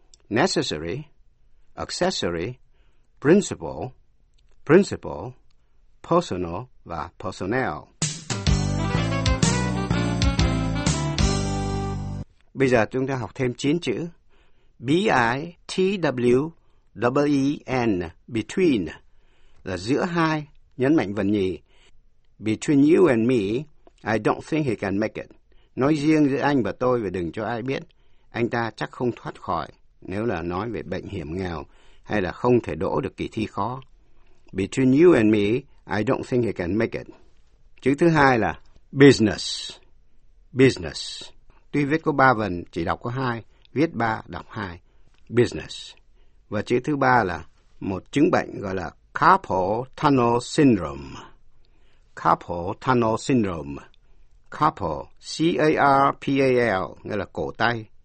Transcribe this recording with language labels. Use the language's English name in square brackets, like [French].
[English] Necessary, accessory, principal, principal, personal và personnel. [Vietnamese] Bây giờ chúng ta học thêm 9 chữ. B-I-T-W-E-E-N, between, là giữa hai, nhấn mạnh vần nhì. [English] Between you and me, I don't think he can make it. [Vietnamese] Nói riêng giữa anh và tôi và đừng cho ai biết, anh ta chắc không thoát khỏi, nếu là nói về bệnh hiểm nghèo hay là không thể đỗ được kỳ thi khó. [English] Between you and me, I don't think he can make it. [Vietnamese] Chữ thứ hai là business. Business. Tuy viết có ba vần, chỉ đọc có hai, viết ba, đọc hai. Business. Và chữ thứ ba là một chứng bệnh gọi là carpal tunnel syndrome. Carpal tunnel syndrome. Carpal, C-A-R-P-A-L, nghĩa là cổ tay.